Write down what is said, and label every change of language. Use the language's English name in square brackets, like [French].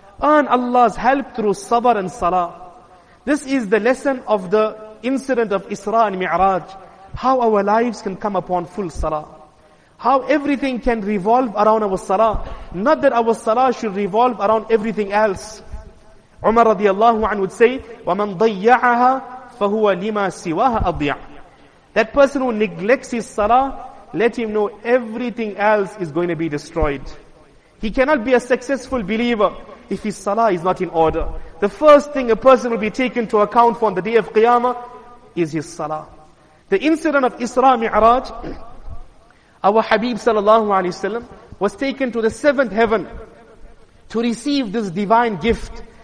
[English] Earn Allah's help through sabr and salah. This is the lesson of the incident of Isra and Mi'raj. How our lives can come upon full salah. How everything can revolve around our salah. Not that our salah should revolve around everything else. Umar radiallahu anhu would say, [Arabic] وَمَنْ ضَيَّعَهَا فَهُوَ لِمَا سِوَاهَا أَضْيَعَ. [English] That person who neglects his salah, let him know everything else is going to be destroyed. He cannot be a successful believer if his salah is not in order. The first thing a person will be taken to account for on the day of Qiyamah is his salah. The incident of Isra Mi'raj, our Habib sallallahu alayhi wa sallam was taken to the seventh heaven to receive this divine gift.